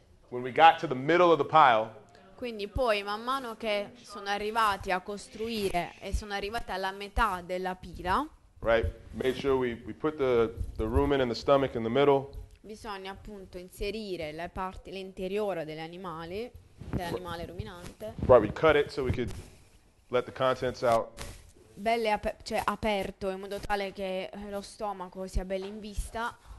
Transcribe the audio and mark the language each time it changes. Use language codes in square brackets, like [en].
[en] When we got to the middle of the pile. [it] Quindi poi man mano che sono arrivati a costruire e sono arrivati alla metà della pila. [en] Right. Made sure we put the rumen and the stomach in the middle. [it] Bisogna appunto inserire le parti l'interiore dell'animale ruminante. [en] Right. We cut it so we could let the contents out. [it] Belle aperto in modo tale che lo stomaco sia bello in vista.